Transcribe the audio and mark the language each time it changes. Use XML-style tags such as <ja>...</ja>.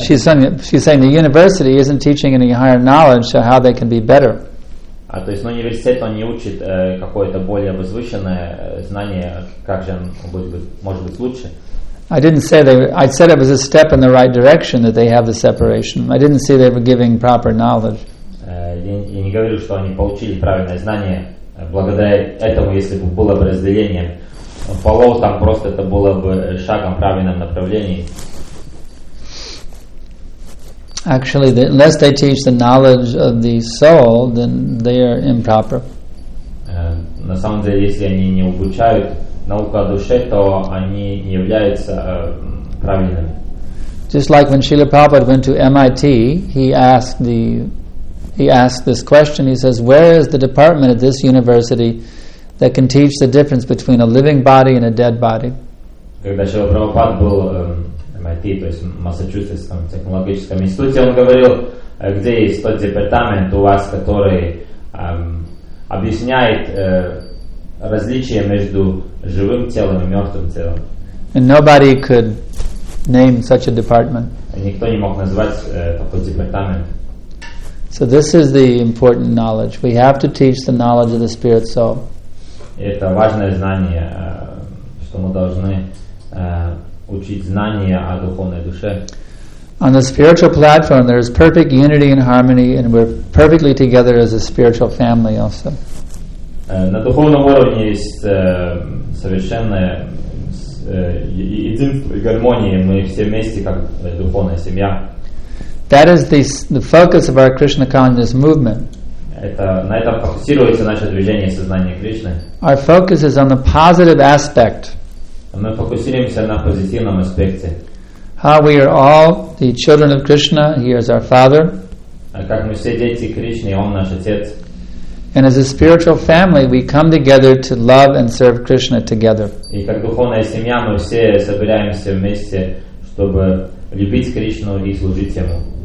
<en>She's saying the university isn't teaching any higher knowledge, so how they can be better.</en> <ru>А то есть, ну, университет, он не учит какое-то более возвышенное знание, как же он может быть лучше.</ru> <en>I didn't say they were, I said it was a step in the right direction that they have the separation. I didn't see they were giving proper knowledge.</en> <ru>Я не говорю, что они получили правильное знание. Благодаря этому, если бы было бы разделение, follow там просто это было бы шагом в правильном направлении.</ru> <en>Actually, unless they teach the knowledge of the soul, then they are improper.</en> <ru>На самом деле, если они не обучают науку о душе, то они не являются правильными.</ru> <en>Just like when Srila Prabhupada went to MIT, he asked this question. He says, "Where is the department at this university that can teach the difference between a living body and a dead body?"</en> <ru>Когда Шрила Прабхупад был MIT, то есть в Массачусетском технологическом институте, он говорил, где есть тот департамент у вас, который объясняет различие между живым телом и мертвым телом.</ru> <en>And nobody could name such a department.</en> <ru>И никто не мог назвать такой департамент.</ru> <en>So this is the important knowledge. We have to teach the knowledge of the spirit soul.</en> <ru>И это важное знание, что мы должны учить знания о духовной душе.</ru> <en>On the spiritual platform there is perfect unity and harmony, and we're perfectly together as a spiritual family also.</en> <ru>На духовном уровне есть совершенная гармония, мы все вместе как духовная семья.</ru> <en>That is the focus of our Krishna consciousness movement.</en> <ru>На этом фокусируется наше движение сознания Кришны.</ru> <en>Our focus is on the positive aspect.</en> <ru>Мы фокусируемся на позитивном аспекте.</ru> <en>How we are all the children of Krishna, he is our father.</en> <ru>Как мы все дети Кришны, он наш отец.</ru> <en>And as a spiritual family, we come together to love and serve Krishna together.</en> <ru>И как духовная семья, мы все собираемся вместе, чтобы любить Кришну и служить ему.</ru>